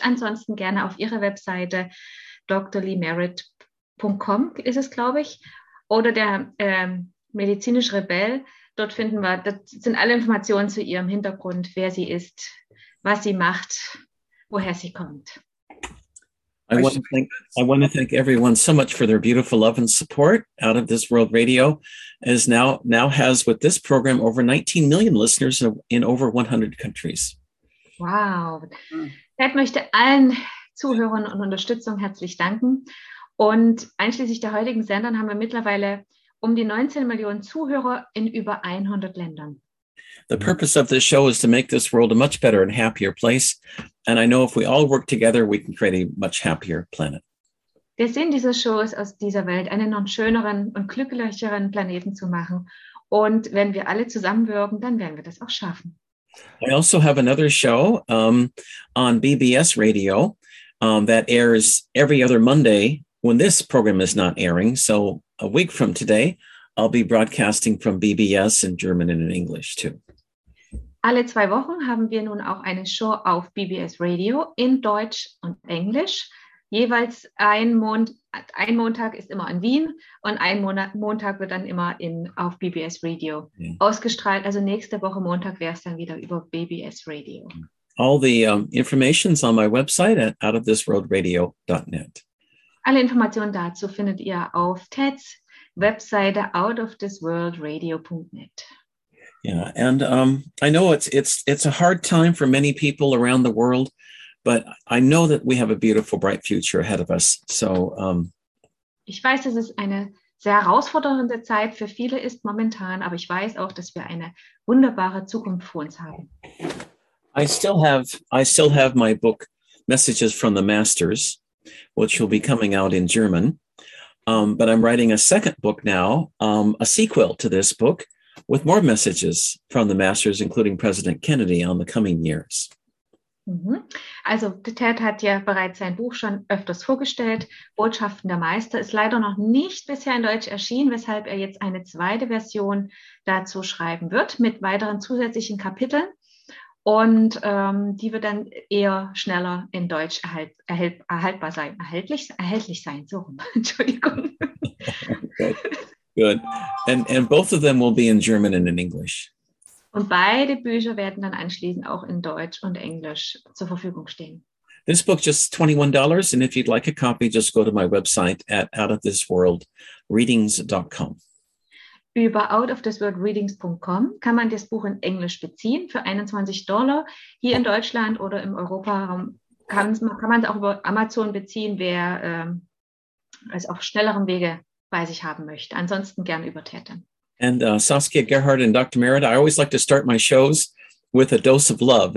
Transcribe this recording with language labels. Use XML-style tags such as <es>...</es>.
<de>Ansonsten gerne auf ihre Webseite drleemerritt.com ist es, glaube ich, oder der Medizinische Rebell. Dort finden wir, das sind alle Informationen zu ihrem Hintergrund, wer sie ist, was sie macht, woher sie kommt.</de> <en>I want to thank everyone so much for their beautiful love and support. Out of This World Radio is now has with this program over 19 million listeners in over 100 countries. Wow.</en> <de>Ted möchte allen Zuhörern und Unterstützung herzlich danken. Und einschließlich der heutigen Sendern haben wir mittlerweile um die 19 Millionen Zuhörer in über 100 Ländern.</de> <en>The purpose of this show is to make this world a much better and happier place. And I know if we all work together, we can create a much happier planet.</en> <de>Der Sinn dieser Show ist, aus dieser Welt einen noch schöneren und glücklicheren Planeten zu machen. Und wenn wir alle zusammenwirken, dann werden wir das auch schaffen.</de> <en>I also have another show on BBS Radio that airs every other Monday when this program is not airing. So a week from today, I'll be broadcasting from BBS in German and in English too.</en> <de>Alle zwei Wochen haben wir nun auch eine Show auf BBS Radio in Deutsch und Englisch. Jeweils ein Montag ist immer in Wien und ein Montag wird dann immer auf BBS Radio ausgestrahlt. Also nächste Woche Montag wäre es dann wieder über BBS Radio.</de> <en>All the information's on my website at outofthisworldradio.net.</en> <de>Alle Informationen dazu findet ihr auf Teds Webseite outofthisworldradio.net.</de> <en>Yeah, and I know it's a hard time for many people around the world. But I know that we have a beautiful, bright future ahead of us. So,</en> <de>ich weiß, dass es eine sehr herausfordernde Zeit für viele ist momentan, aber ich weiß auch, dass wir eine wunderbare Zukunft vor uns haben.</de> <en>I still have my book, Messages from the Masters, which will be coming out in German. But I'm writing a second book now, a sequel to this book, with more messages from the Masters, including President Kennedy, on the coming years.</en> <de>Also Ted hat ja bereits sein Buch schon öfters vorgestellt. Botschaften der Meister ist leider noch nicht bisher in Deutsch erschienen, weshalb er jetzt eine zweite Version dazu schreiben wird mit weiteren zusätzlichen Kapiteln. Und die wird dann eher schneller in Deutsch erhältlich sein. So rum. Entschuldigung.</de> <en>Good. And both of them will be in German and in English.</en> <de>Und beide Bücher werden dann anschließend auch in Deutsch und Englisch zur Verfügung stehen.</de> <en>This book just $21, and if you'd like a copy, just go to my website at outofthisworldreadings.com.</en> <de>Über outofthisworldreadings.com kann man das Buch in Englisch beziehen für $21. Hier in Deutschland oder im Europaraum kann man es auch über Amazon beziehen, wer es auf schnellerem Wege bei sich haben möchte. Ansonsten gern über Tätern.</de> <en>And Saskia Gerhardt and Dr. Merida, I always like to start my shows with a dose of love.</en>